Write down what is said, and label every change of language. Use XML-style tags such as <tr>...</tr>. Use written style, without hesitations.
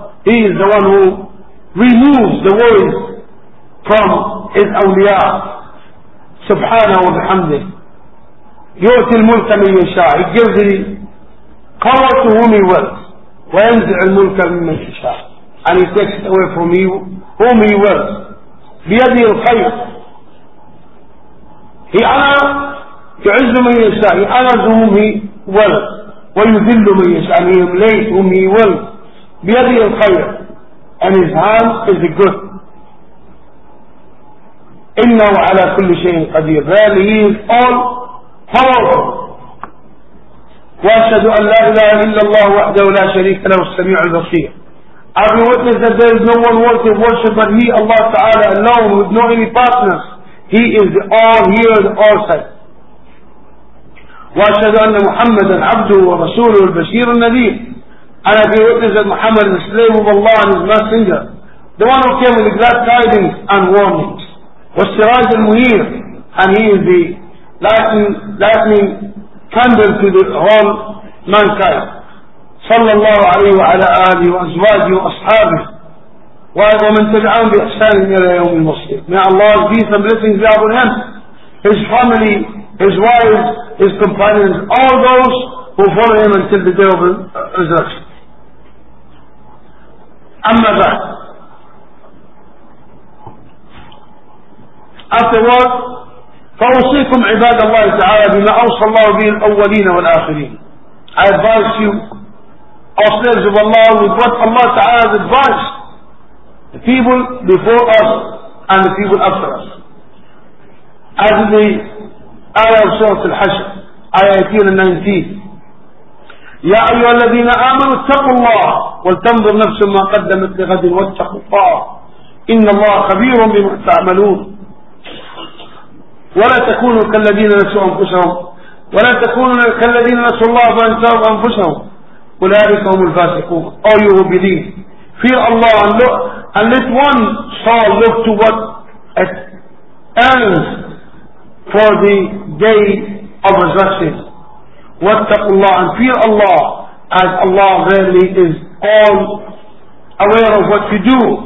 <en>He is the one who removes the worries from his awliya.</en> <ar>سُبْحَانَهُ وَبِحَمْدِهِ يُؤْتِ الْمُلْكَ مِنْ يَشَاءُ.</ar> <en>He gives the power to whom he wills.</en> <ar>وَيَنْزِعُ الْمُلْكَ مِمَّنْ يَشَاءُ.</ar> <en>And he takes it away from whom he wills.</en> <ar>بِيَدِهِ الْخَيْرُ.</ar> <en>He honors,</en> <ar>يعز من يشاء.</ar> <en>He honors whom he wills.</en> <ar>ويذل من يشاء.</ar> <en>And he humiliates whom he wills.</en> <ar>بيده الخير.</ar> <en>And his hand is the good.</en> <ar>إنه على كل شيء قدير.</ar> <en>Verily he is all powerful.</en> <ar>وأشهد أن لا إله إلا الله وحده لا شريك له السميع البصير.</ar> <en>Every witness that there is no one worthy of worship but he, Allah Ta'ala alone, with no any partners. He is the all-hearer, the all-sight.</en> <ar>وَأَشْهَدُ أَنَّ مُحَمَّدًا عَبْدُهُ وَرَسُولُهُ الْبَشِيرُ النَّذِيرُ.</ar> <en>And I bear witness that Muhammad is the slave of Allah and his messenger, the one who came with the glad tidings and warnings.</en> <ar>وَالسِّرَاجُ الْمُنِيرُ.</ar> <en>And he is the lightning candle to the whole mankind.</en> <ar>صلى الله عليه وعلى آله وأزواجه وأصحابه. وَمَنْ تَجْعَانُ بِإِحْسَانٍ إِلَى يَوْمِ الْمَصِيرِ.</ar> <en>May Allah give some blessings to him, his family, his wives, his companions, all those who follow him until the day of resurrection. Amma ba'd. Afterward,</en> <ar>فَوَصِيكُمْ عِبَادَ اللَّهِ تَعَالَى بِمَا أَوْصَى اللَّهُ بِهِ الْأَوَّلِينَ وَالْآخِرِينَ.</ar> <en>I advise you, all slaves of Allah, with what Allah Ta'ala has advised the people before us and the people after us. As in the ayah of Surah Al-Hashr, ayah 18 and 19.</en> <ar>يَا أَيُّهَا الَّذِينَ آمَنُوا اتَّقُوا اللَّهَ وَلْتَنْظُرْ نَفْسٌ مَا قَدَّمَتْ لِغَدٍ وَاتَّقُوا اللَّهَ إِنَّ اللَّهَ خَبِيرٌ بِمَا تَعْمَلُونَ. ولا تكونوا كالذين نسوا أنفسهم ولا تكونوا كالذين نسوا الله فأنساهم أنفسهم أولئك هم الفاسقون.</ar> <en>Oh, you who believe, fear Allah and look, and let one soul look to what it earns for the day of resurrection.</en> <ar>واتقوا الله,</ar> <en>and fear Allah, as Allah really is all aware of what you do.</en>